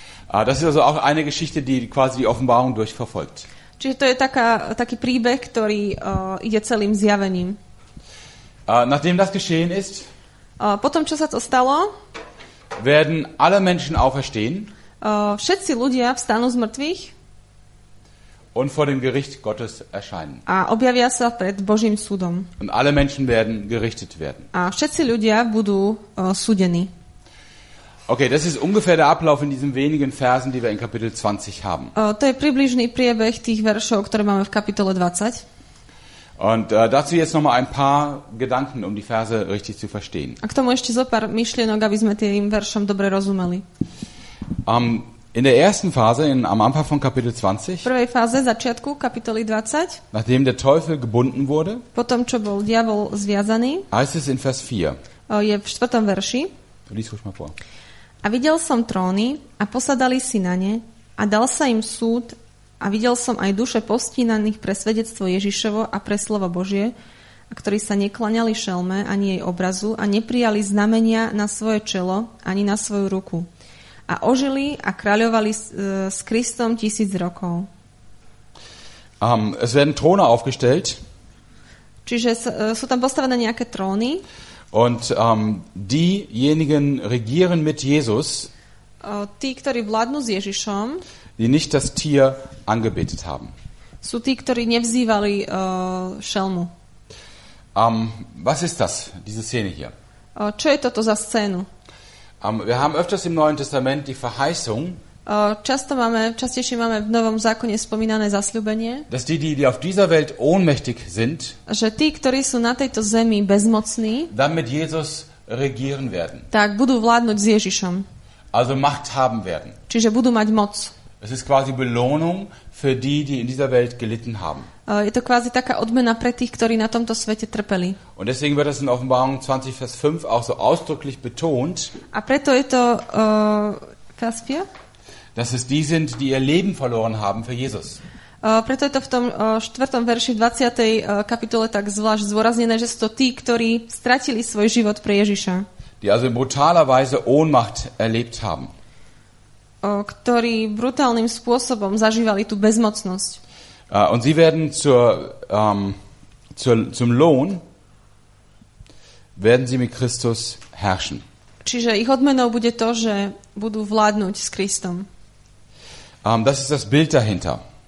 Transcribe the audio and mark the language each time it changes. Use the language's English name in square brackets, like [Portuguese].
[German] Das ist also auch eine Geschichte, die quasi die Offenbarung durchverfolgt. [Slovak] Čiže to je taký príbeh, ktorý ide celým zjavením. [German] Nachdem das geschehen ist, [Slovak] potom, čo sa to stalo, [German] werden alle Menschen auferstehen, [Slovak] všetci ľudia vstanú z mŕtvych [German] und vor dem Gericht Gottes erscheinen. [Slovak] A objavia sa pred Božím súdom. [German] Und alle Menschen werden gerichtet werden. [Slovak] A všetci ľudia budú súdení. [German] Okay, das ist ungefähr der Ablauf in diesen wenigen Versen, die wir in Kapitel 20 haben. [Slovak] To je približný priebeh tých veršov, ktoré máme v kapitole 20. [German] Und dazu jetzt noch mal ein paar Gedanken, um die Verse richtig zu verstehen. [Slovak] A k tomu ešte zo pár myšlienok, aby sme tým veršom dobre rozumeli. [German] In der ersten Phase, am Anfang von Kapitel 20, [Slovak] v prvej fáze, začiatku kapitoly 20, [German] nachdem der Teufel gebunden wurde, [Slovak] potom, čo bol diabol zviazaný, [German] heißt es in Vers 4, [Slovak] je v štvrtom verši, [German] lies ruhig mal vor. [Slovak] A videl som tróny a posadali si na ne a dal sa im súd a videl som aj duše postínaných pre svedectvo Ježišovo a pre slovo Božie, a ktorí sa nekláňali šelme ani jej obrazu a neprijali znamenia na svoje čelo ani na svoju ruku. A ožili a kráľovali s Kristom 1000 rokov. [German] Es werden Throne aufgestellt. [Slovak] Čiže sú tam postavené nejaké tróny. [German] Und diejenigen regieren mit Jesus. [Slovak] Tí, ktorí vládnu s Ježišom, [German] die nicht das Tier angebetet haben. [Slovak] Sú tí, ktorí nevzývali šelmu. [German] Was ist das, diese Szene hier? [Slovak] Čo je toto za scénu? [German] Wir haben öfters im Neuen Testament die Verheißung, [Slovak] častejšie máme v Novom zákone spomínané zasľúbenie, [German] dass die auf dieser Welt ohnmächtig sind, [Slovak] že tí, ktorí sú na tejto zemi bezmocní, [German] dann mit Jesus regieren werden. [Slovak] Tak budú vládnuť s Ježišom. [German] Also Macht haben werden. [Slovak] Čiže budú mať moc. [German] Es ist quasi Belohnung für die in dieser Welt gelitten haben. [Slovak] Je to quasi taká odmena pre tých, ktorí na tomto svete trpeli. [German] Und deswegen wird das in Offenbarung 20 Vers 5 auch so ausdrücklich betont. [Slovak] A preto je to Vers 4? [German] Dass es die sind, die ihr Leben verloren haben für Jesus. [Slovak] Preto je to v tom 4. verši 20. kapitole tak zvlášť zdôraznené, že sú to tí, ktorí stratili svoj život pre Ježiša. [German] Die also in brutaler Weise Ohnmacht erlebt haben. [Slovak] Ktorí brutálnym spôsobom zažívali tú bezmocnosť. [German] Und sie werden zum Lohn werden sie mit Christus herrschen. [Slovak] Čiže ich odmenou bude to, že budú vládnuť s Kristom. [German] Das ist das Bild dahinter.